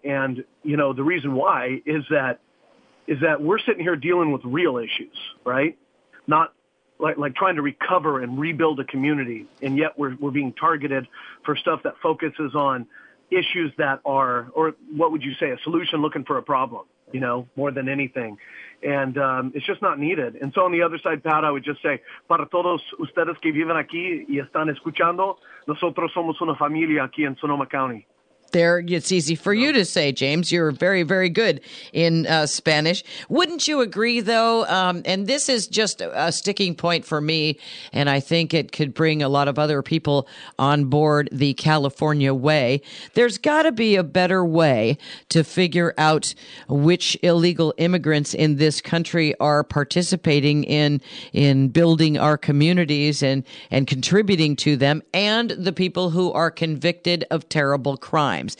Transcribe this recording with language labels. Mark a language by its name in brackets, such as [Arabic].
[English] And, you know, the reason why is that we're sitting here dealing with real issues, right? Not like trying to recover and rebuild a community, and yet we're being targeted for stuff that focuses on issues that are, or what would you say, a solution looking for a problem, you know, more than anything. And it's just not needed. And so on the other side, Pat, I would just say, [Spanish] para todos ustedes que viven aquí y están escuchando, nosotros somos una familia aquí en Sonoma County. [English] There, it's easy for you to say, James. You're very, very good in Spanish. Wouldn't you agree, though, and this is just a sticking point for me, and I think it could bring a lot of other people on board the California way. There's got to be a better way to figure out which illegal immigrants in this country are participating in building our communities and contributing to them, and the people who are convicted of terrible crime.